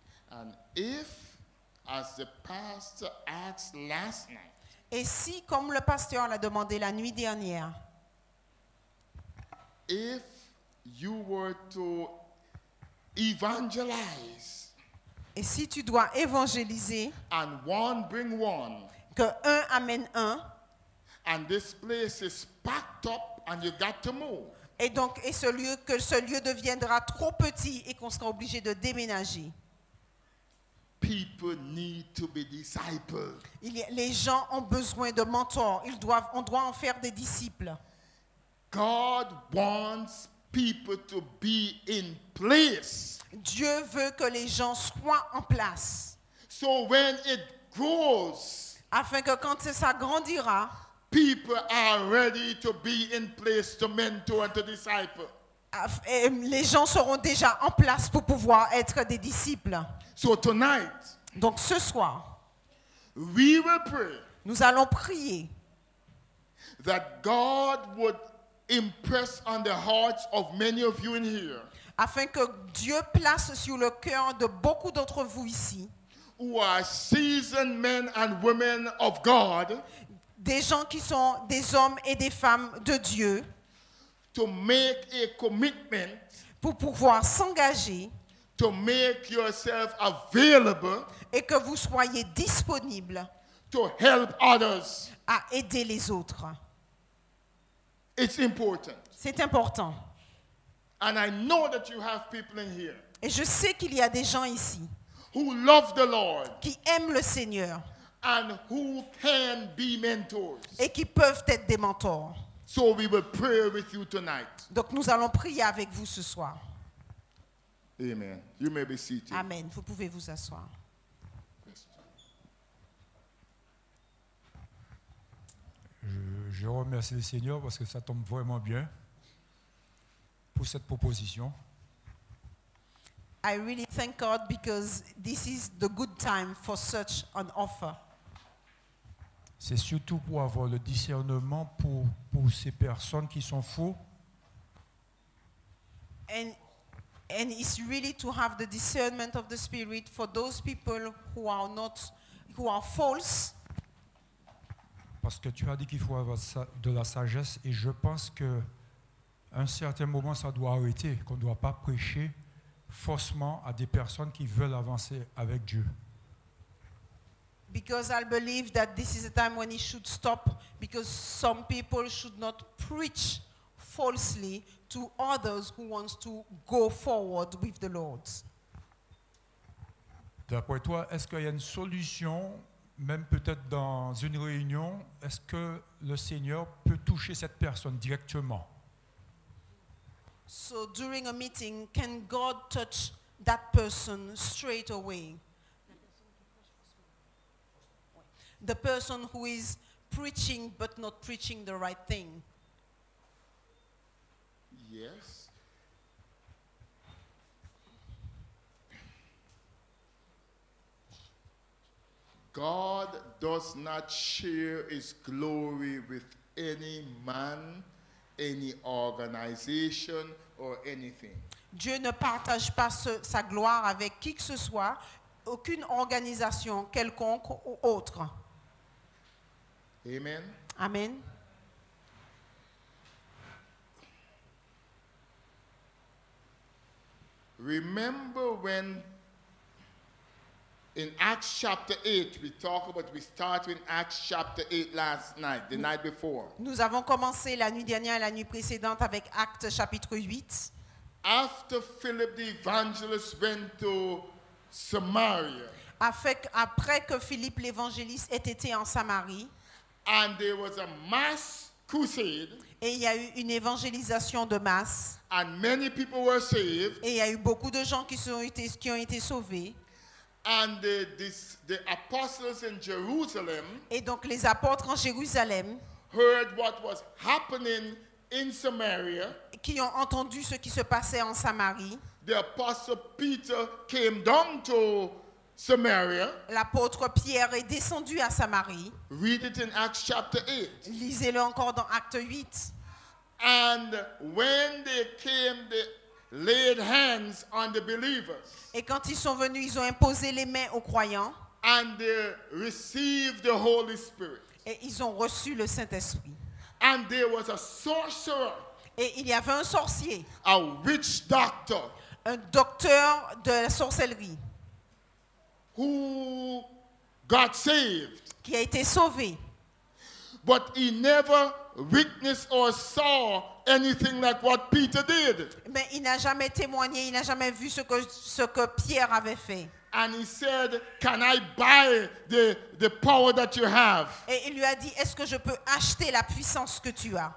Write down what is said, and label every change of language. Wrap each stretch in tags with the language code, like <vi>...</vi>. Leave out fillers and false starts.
<en>And if as the pastor asked last night.</en> <fr>Et si, comme le pasteur l'a demandé la nuit dernière,</fr> <en>if you were to evangelize,</en> <fr>et si tu dois évangéliser,</fr> <en>and one bring one,</en> <fr>que un amène un,</fr> <en>and this place is packed up and you got to move,</en> <fr>et donc et ce lieu que ce lieu deviendra trop petit et qu'on sera obligé de déménager.</fr> <en>People need to be disciples.</en> <fr>Les gens ont besoin de mentors. Ils doivent, on doit en faire des disciples.</fr> <en>God wants people to be in place.</en> <fr>Dieu veut que les gens soient en place.</fr> <en>So when it grows,</en> <fr>afin que quand ça grandira,</fr> <en>people are ready to be in place to mentor and to disciple.</en> <fr>Les gens seront déjà en place pour pouvoir être des disciples.</fr> <en>So tonight,</en> <fr>donc ce soir,</fr> <en>we will pray,</en> <fr>nous allons prier</fr> <en>that God would impress on the hearts of many of you in here,</en> <fr>afin que Dieu place sur le cœur de beaucoup d'entre vous ici,</fr> <en>who are seasoned men and women of God,</en> <fr>des gens qui sont des hommes et des femmes de Dieu,</fr> <en>to make a commitment,</en> <fr>pour pouvoir s'engager.</fr> <en>To make yourself available,</en> <fr>et que vous soyez disponible,</fr> <en>to help others,</en> <fr>à aider les autres.</fr> <en>It's important.</en> <fr>C'est important.</fr> <en>And I know that you have people in here.</en> <fr>Et je sais qu'il y a des gens ici</fr> <en>who love the Lord</en> <fr>qui aiment le Seigneur</fr> <en>and who can be mentors.</en> <fr>Et qui peuvent être des mentors.</fr> <en>So we will pray with you tonight.</en> <fr>Donc nous allons prier avec vous ce soir.</fr> <en>Amen. You may be seated.</en> <fr>Amen. Vous pouvez vous asseoir. Je remercie le Seigneur parce que ça tombe vraiment bien pour cette proposition.</fr> <en>I really thank God because this is the good time for such an offer.</en> <fr>C'est surtout pour avoir le discernement pour ces personnes qui sont fous.</fr> <en>And it's really to have the discernment of the spirit for those people who are not who are false.</en> <fr>Parce que tu as dit qu'il faut avoir de la sagesse et je pense que un certain moment ça doit arrêter, qu'on ne doit pas prêcher faussement à des personnes qui veulent avancer avec Dieu.</fr> <en>Because I believe that this is a time when it should stop, because some people should not preach falsely to others who want to go forward with the Lord.</en> <fr>D'après toi, est-ce qu'il y a une solution? Même peut-être dans une réunion, est-ce que le Seigneur peut toucher cette personne directement?</fr> <en>So during a meeting, can God touch that person straight away? The person who is preaching but not preaching the right thing. Yes. God does not share his glory with any man, any organization, or anything.</en> <fr>Dieu ne partage pas sa gloire avec qui que ce soit, aucune organisation quelconque ou autre.</fr> <en>Amen.</en> <fr>Amen.</fr> <en>Remember when in Acts chapter 8, we started in Acts chapter 8 last night, the night before.</en> <fr>Nous avons commencé la nuit dernière et la nuit précédente avec Actes chapitre 8.</fr> <en>After Philip the evangelist went to Samaria.</en> <fr>Après que Philippe l'évangéliste ait été en Samarie.</fr> <en>And there was a mass crusade.</en> <fr>Et il y a eu une évangélisation de masse.</fr> <en>And many people were saved.</en> <fr>Et il y a eu beaucoup de gens qui ont été sauvés.</fr> <en>And the apostles in Jerusalem,</en> <fr>et donc les apôtres en Jérusalem,</fr> <en>heard what was happening in Samaria,</en> <fr>qui ont entendu ce qui se passait en Samarie.</fr> <en>The apostle Peter came down to Samaria.</en> <fr>L'apôtre Pierre est descendu à Samarie.</fr> <en>Read it in Acts chapter 8.</en> <fr>Lisez-le encore dans Acte 8.</fr> <en>And when they came, they laid hands on the believers.</en> <fr>Et quand ils sont venus, ils ont imposé les mains aux croyants.</fr> <en>And they received the Holy Spirit.</en> <fr>Et ils ont reçu le Saint-Esprit.</fr> <en>And there was a sorcerer.</en> <fr>Et il y avait un sorcier.</fr> <en>A witch doctor.</en> <fr>Un docteur de la sorcellerie.</fr> <en>Who got saved.</en> <fr>Qui a été sauvé.</fr> <en>But he never witnessed or saw anything like what Peter did.</en> <fr>Mais il n'a jamais témoigné, il n'a jamais vu ce que Pierre avait fait.</fr> <en>And he said, "Can I buy the power that you have?"</en> <fr>Et il lui a dit, "Est-ce que je peux acheter la puissance que tu as?"</fr>